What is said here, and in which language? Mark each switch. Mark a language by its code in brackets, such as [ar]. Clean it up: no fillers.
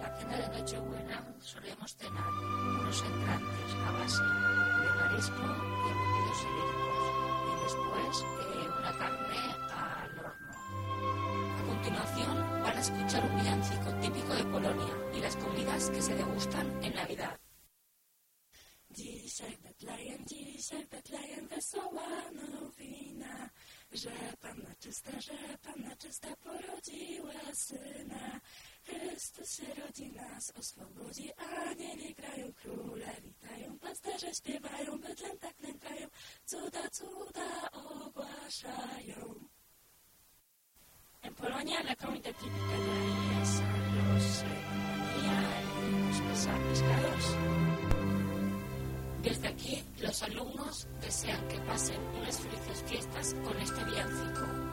[es] La cena de Nochebuena solemos cenar unos entrantes a base de marisco y embutidos ibéricos y después una carne al horno. A continuación van a escuchar un villancico típico de Polonia y las comidas que se degustan en Navidad. [pl] Dzisiaj w Betlejem, dzisiaj w Betlejem wesoła nowina, że Panna czysta porodziła syna. Chrystus się rodzi nas, oswobodzi, anieli grają, króle witają, pasterze śpiewają, Betlejem tak nękają, cuda, cuda ogłaszają. [es] En Polonia la comida típica de ahí es a los señoriales, los pescados. Desde aquí, los alumnos desean que pasen unas felices fiestas con este villancico.